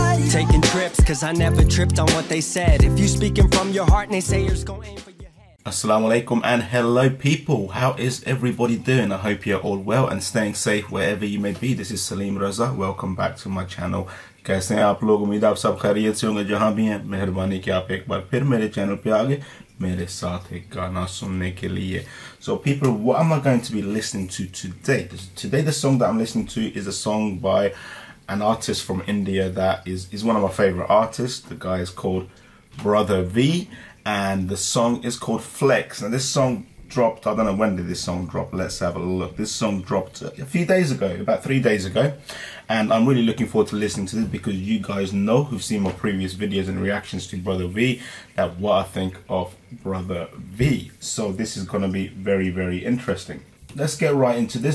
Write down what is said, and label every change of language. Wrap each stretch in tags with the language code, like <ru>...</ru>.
<en>taking trips, cause I never tripped on what they said. If you speaking from your heart and they say you're just gonna aim for your head. Assalamu alaikum and hello people, how is everybody doing? I hope you're all well and staying safe wherever you may be. This is Salim Raza, welcome back to my channel.</en> <hi>कैसे हैं आप लोग, उम्मीद आप सब खैरियत से होंगे. जहां भी हैं मेहरबानी कि आप एक बार फिर मेरे चैनल पे आ गए मेरे साथ एक गाना सुनने के लिए.</hi> <en>So people, what am I going to be listening to today? Today the song that I am listening to is a song by an artist from India that is one of my favourite artist. The guy is called Brodha V and the song is called Flex. Now this song dropped, I don't know when did this song drop, let's have a look. This song dropped a few days ago, about 3 days ago, and I'm really looking forward to listening to this because you guys know who've seen my previous videos and reactions to Brodha V that what I think of Brodha V. So this is gonna be very, very interesting. Let's get right into this.</en>